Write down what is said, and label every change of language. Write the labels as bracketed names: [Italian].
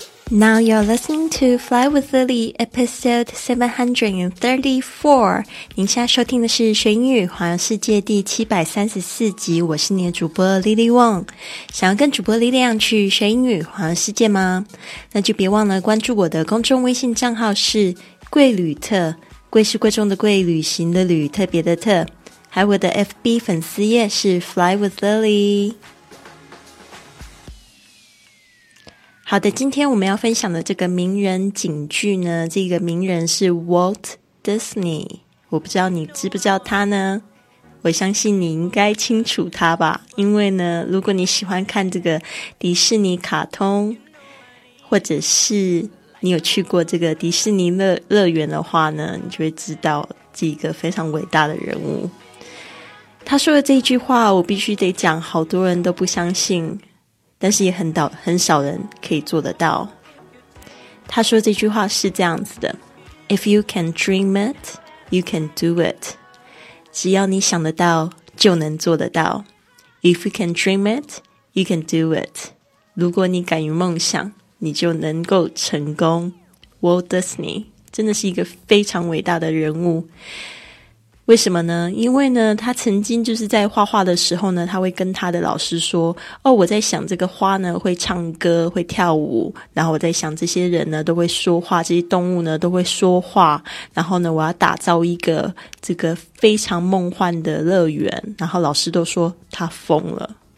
[English] Now you're listening to Fly with Lily, episode 734. [Chinese] 您现在收听的是学英语环游世界第734集，我是你的主播 Lily Wong。想要跟主播 Lily 一样去学英语环游世界吗？那就别忘了关注我的公众微信账号，是贵旅特，贵是贵重的贵，旅行的旅，特别的特。还有我的 FB 粉丝页是 Fly with Lily。好的，今天我们要分享的这个名人警句呢，这个名人是 Walt Disney。我不知道你知不知道他呢，我相信你应该清楚他吧，因为呢，如果你喜欢看这个迪士尼卡通，或者是你有去过这个迪士尼 乐园的话呢，你就会知道这个非常伟大的人物。他说的这一句话我必须得讲，好多人都不相信，但是也很少人可以做得到。他说这句话是这样子的， [English] If you can dream it, you can do it. [Chinese] 只要你想得到就能做得到。 [English] If you can dream it, you can do it. [Chinese] 如果你敢于梦想，你就能够成功。 Walt Disney 真的是一个非常伟大的人物。为什么呢？因为呢，他曾经就是在画画的时候呢，他会跟他的老师说，哦，我在想这个花呢会唱歌会跳舞，然后我在想这些人呢都会说话，这些动物呢都会说话，然后呢我要打造一个这个非常梦幻的乐园，然后老师都说他疯了。